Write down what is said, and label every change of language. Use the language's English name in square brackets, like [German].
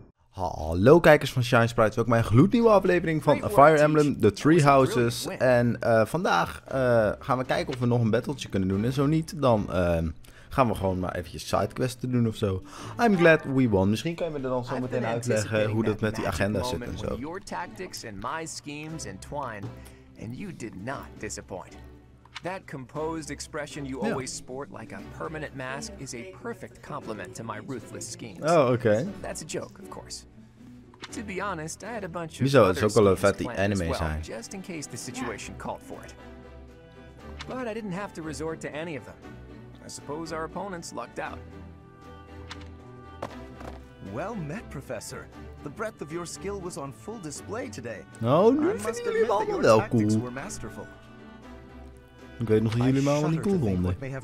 [Dutch] Hallo kijkers van Shine Sprite, welkom bij een gloednieuwe aflevering van Fire Emblem, The Three Houses. En vandaag gaan we kijken of we nog een battletje kunnen doen en zo niet, dan gaan we gewoon maar eventjes sidequests doen of zo. [English] I'm glad we won. [Dutch] Misschien kunnen we er dan zo meteen uitleggen hoe dat met die agenda zit en zo. [English] Your tactics and my schemes entwine, and you did not disappoint. That composed expression you always sport like a permanent mask is a perfect compliment to my ruthless schemes. Oh, okay. That's a joke, of course. To be honest, I had a bunch of other schemes planned as well, just in case the situation called for it. But I didn't have to resort to any of them. I suppose our opponents lucked out. Well met, Professor. The breadth of your skill was on full display today. [Dutch] Oh, nu vinden jullie hem allemaal wel cool. [English] Were masterful. [Dutch] Ik weet nog dat jullie allemaal niet cool vonden.